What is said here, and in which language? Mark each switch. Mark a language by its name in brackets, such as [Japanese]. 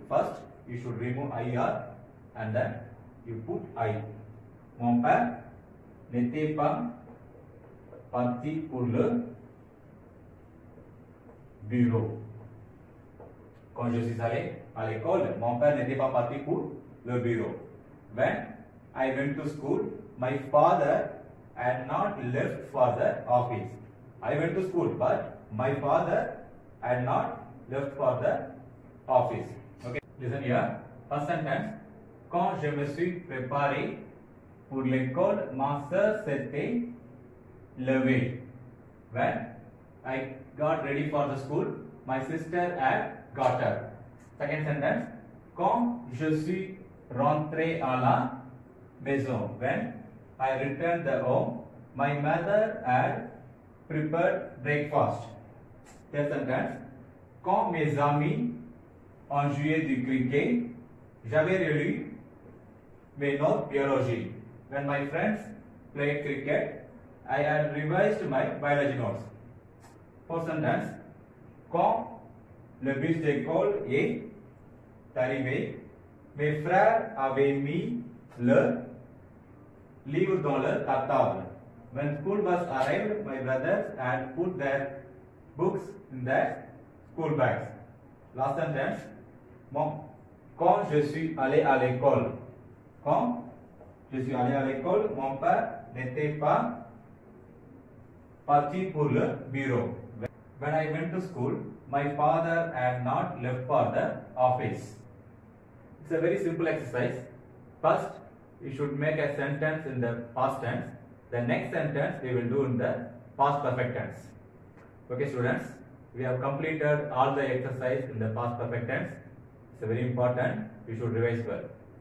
[English] First, you should remove IR and then you put I. [French] Mon père n'était pas parti pour le bureau. Quand je suis allé à l'école, mon père n'était pas parti pour le bureau. [English] When I went to school, my father had not left for the office. I went to school, but my father had not left for the office. Okay, listen here. First sentence. [French] Quand je me suis préparé pour l'école, ma soeur s'était levée. [English] When I got ready for the school, my sister had got up. Second sentence. [French] Quand je suis rentré à la maison. [English] When I returned the home, my mother had prepared breakfast. Third sentence. [French] Quand mes amis ont joué du cricket, j'avais relu mes notes biologie. [English] When my friends played cricket, I had revised my biology notes. Fourth sentence. [French] Quand le bus d'école est arrivé, mes frères avaient mis le livre dans le cartable. [English] When school bus arrived, my brothers had put their books in their school bags. Last sentence. [French] Quand je suis allé à l'école, mon père Netepa Pachipur Bureau. [English] When I went to school, my father had not left for the office. It's a very simple exercise. First, you should make a sentence in the past tense. The next sentence we will do in the past perfect tense. Okay, students, we have completed all the exercise in the past perfect tense. It's very important. You should revise well.